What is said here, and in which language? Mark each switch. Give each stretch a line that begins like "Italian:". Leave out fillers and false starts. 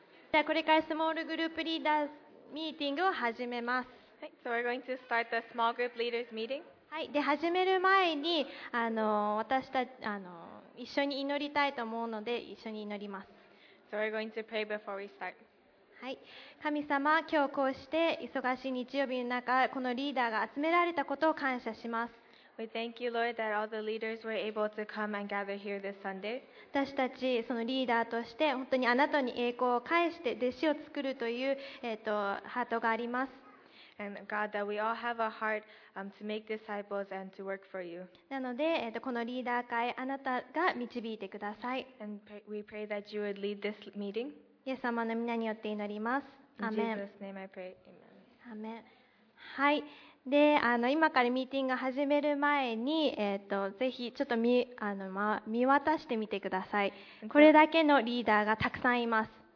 Japanese: じゃあこれからスモールグループリーダーズミーティングを始めます。はい、
English: so we're going to start the small group leaders meeting。
Japanese: はい、で始める前に私たち一緒に祈りたいと思うので一緒に祈ります。
English: so we're going to pray before we start。
Japanese: はい、神様、今日こうして忙しい日曜日の中このリーダーが集められたことを感謝します。
English: We thank you, Lord, that all the leaders were able to come and gather here this Sunday.
Japanese: 私たちそのリーダーとして本当にあなたに栄光を返して弟子を作るというハートがあります。
English: And God, that we all have a heart to make disciples and to work for you.
Japanese: なので、このリーダー会あなたが導いてください。
English: And we pray that you would lead this meeting.
Japanese: イエス様の皆によって祈ります。
English: In Jesus' name, I pray. Amen.
Japanese: Amen. はい。で今からミーティングが始める前に、ぜひちょっと 見渡してみてください。これだけのリーダーがたくさんいます。